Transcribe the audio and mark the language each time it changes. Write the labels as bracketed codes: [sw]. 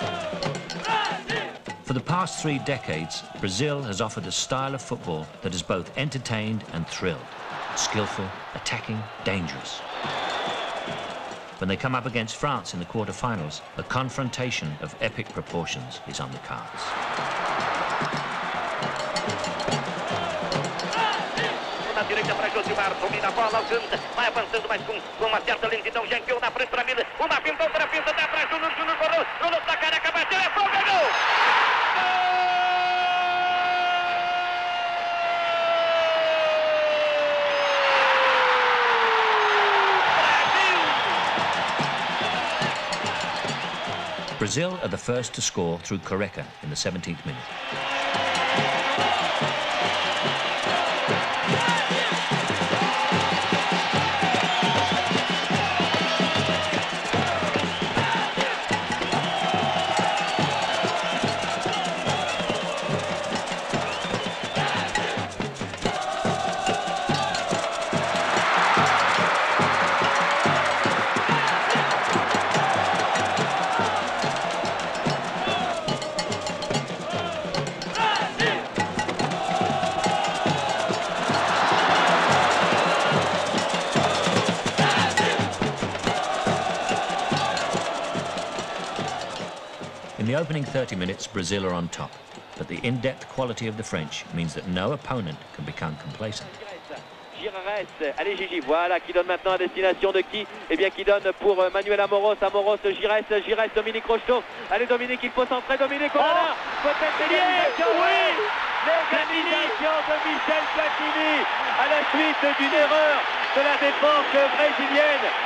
[en] last three decades, Brazil has offered a style of football that has both entertained and thrilled. Skillful, attacking, dangerous. When they come up against France in the quarterfinals, a confrontation of epic proportions is on the cards. [pt] Direita para Josimar, domina a bola, alcança, vai avançando, mas com uma certa lentidão, já enfiou na frente para Miller, uma pinta, outra pinta, dá para Júnior, Júnior correu, Júnior da careca, bateu, é só o gol! [en] Brazil are the first to score through Correca in the 17th minute. Opening 30 minutes, Brazil are on top, but the in-depth quality of the French means that no opponent can become complacent. [fr] Girares, allez Gigi, voilà, qui donne maintenant à destination de qui? Eh bien, qui donne pour Manuel Amoros, Amoros, Girares, Girares, Dominique Rocheteau. Allez Dominique, il faut s'entrer, Dominique, oh là, peut-être l'élimination, oui, l'élimination de Michel Platini à la suite d'une erreur de la défense brésilienne.